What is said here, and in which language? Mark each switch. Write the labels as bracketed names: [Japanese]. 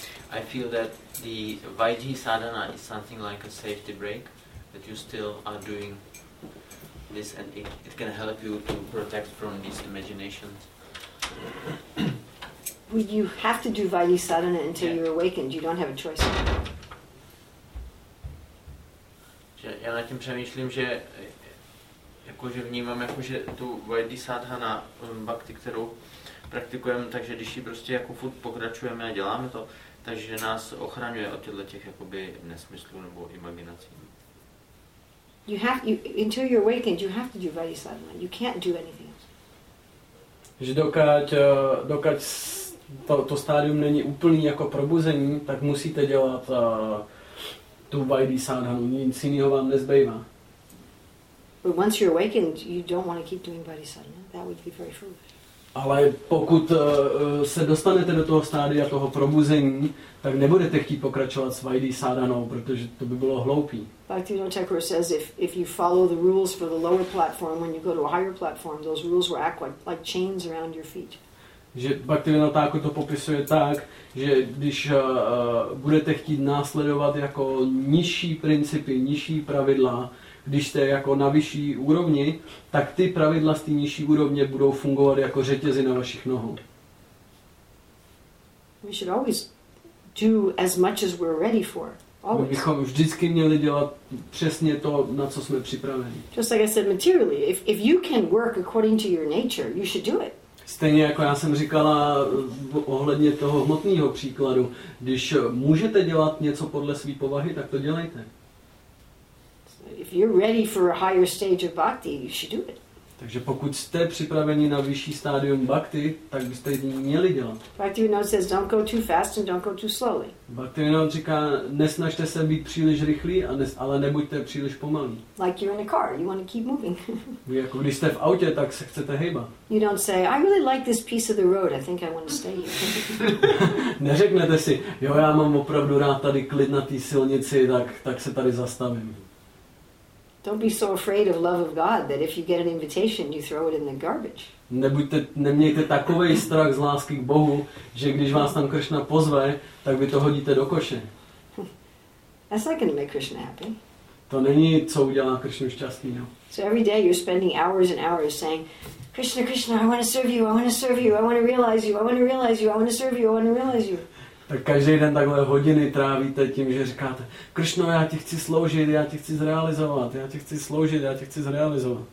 [English] I feel that the YG sadhana is something like a safety break, that you still are doing this and it can help you to protect from these imaginations. Well, you have to do YG sadhana until yeah. You're awakened. You don't have a choice. [Czech] Já nad tím přemýšlím, že jakože vnímám, jakože tu YG sadhana bhakti, kterou praktikujeme, takže když ji prostě jako furt pokračujeme a děláme to, takže nás ochraňuje od těchto těch jakoby nesmyslů nebo imaginací. [English] You have until you're awakened, you have to do vajisadhana. You can't do anything else. [Czech] Že dokud to stádium není úplný jako probuzení, tak musíte dělat tu vajisadhanu. Nic jiného vám nezbývá. [English] But once you're awakened, you don't want to keep doing vajisadhana. That would be very foolish. [Czech] Ale pokud se dostanete do toho stádia toho probuzení, tak nebudete chtít pokračovat s Vaidhi Sadhanou, protože to by bylo hloupý. [English] Bhaktivinoda Thakur says if you follow the rules for the lower platform when you go to a higher platform, those rules will act like chains around your feet. [Czech] Že Bhaktivinoda Thakur to popisuje tak, že když budete chtít následovat jako nižší principy, nižší pravidla, když jste jako na vyšší úrovni, tak ty pravidla z té nižší úrovně budou fungovat jako řetězy na vašich nohou. [English] We should always do as much as we're ready for. Always. [Czech] My bychom vždycky měli dělat přesně to, na co jsme připraveni. [English] Just like I said materially, if you can work according to your nature, you should do it. [Czech] Stejně jako já jsem říkala ohledně toho hmotného příkladu, když můžete dělat něco podle své povahy, tak to dělejte. [English] If you're ready for a higher stage of bhakti, you should do it. [Czech] Takže pokud jste připraveni na vyšší stádium bhakti, tak byste ji měli dělat. [English] Bhaktivinoda says don't go too fast and don't go too slowly. [Czech] Bhaktivinoda říká, nesnažte se být příliš rychlý, ale nebuďte příliš pomalý. [English] Like you're in a car, you want to keep moving. [Czech] Vy jako když jste v autě, tak se chcete hejbat. [English] You don't say, I really like this piece of the road, I think I want to stay here. [Czech] Neřeknete si, jo, já mám opravdu rád tady klid na té silnici, tak se tady zastavím. [English] Don't be so afraid of love of God that if you get an invitation, you throw it in the garbage. [Czech] Nemějte takový strach z lásky k Bohu, že když vás tam Krishna pozve, tak vy to hodíte do koše. [English] That's not going to make Krishna happy. [Czech] To není, co udělá Krishnu šťastnýho. [English] So every day you're spending hours and hours saying, Krishna, Krishna, I want to serve you, I want to serve you, I want to realize you, I want to realize you, I want to serve you, I want to realize you. [Czech] Tak každý den takhle hodiny trávíte tím, že říkáte, Krishno, já ti chci sloužit, já ti chci zrealizovat, já ti chci sloužit, já ti chci zrealizovat.